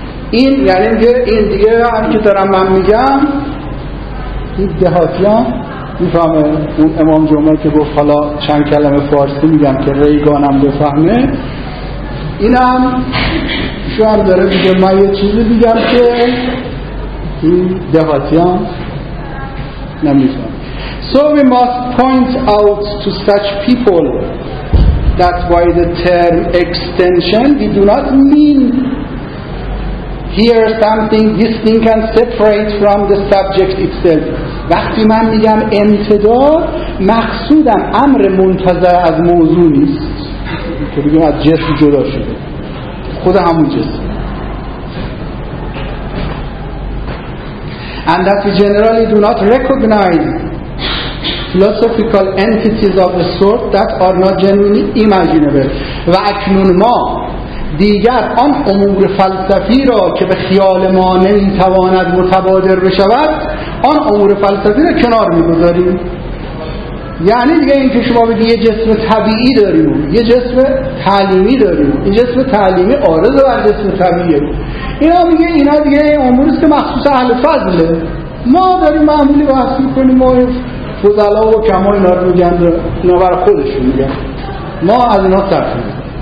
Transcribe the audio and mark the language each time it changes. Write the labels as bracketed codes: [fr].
[fa] این یعنی که این دیگه هم که دارم من میگم این دهاتی هم میفهمه، اون امام جمعه که گفت حالا چند کلمه فارسی میگم که ریگانم بفهمه، این هم شو هم داره بیگه من یه چیزی بیگم که این دهاتی هم نمیفهم. [en] So we must point out to such people that by the term extension we do not mean here something distinct and separate from the subject itself. [fa] وقتی من میگم امتداد، مقصودم امر منتظر از موضوع نیست که بگیم از جسم جدا شده، خود همون جسم. [en] And that we generally do not recognize philosophical entities of the sort that are not genuinely imaginable. [fa] و اکنون ما دیگر آن امور فلسفی را که به خیال ما نمیتواند متبادر بشود، آن امور فلسفی را کنار میگذاریم. یعنی دیگه این که شما بگید یه جسم طبیعی داریم، یه جسم تعلیمی داریم، این جسم تعلیمی عارض بر جسم طبیعیه، اینا میگه اینا دیگه امور است که مخصوص اهل فضله، ما داریم معمولی بحث میکنیم، ما فضلا و کما اینا رو میگن، اینا برای خودشون میگن، ما از اینا صرف میزنیم.